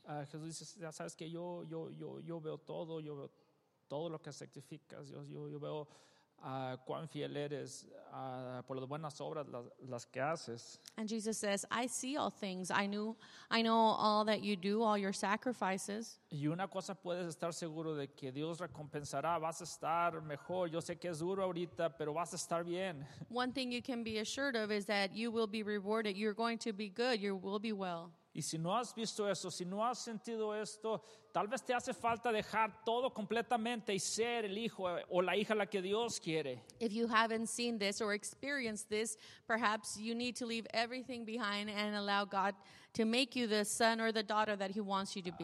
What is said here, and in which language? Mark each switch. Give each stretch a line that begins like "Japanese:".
Spanish: Jesús dice, ya sabes que yo veo todo, yo veo todo lo que sacrificas, yo veo cuán fiel eres por las buenas obras las que haces.
English: And Jesus says, I see all things. I know all that you do, all your sacrifices.
Spanish: Y una cosa puedes estar seguro de que Dios recompensará, vas a estar mejor. Yo sé que es duro ahorita, pero vas a estar bien.
English: One thing you can be assured of is that you will be rewarded. You're going to be good. You will be well.
Spanish: Y si no has visto eso, si no has sentido esto, tal vez te hace falta dejar todo completamente y ser el hijo o la hija la que Dios quiere.
English: If you haven't seen this or experienced this, perhaps you need to leave everything behind and allow God to make you the son or the daughter that He wants you to be.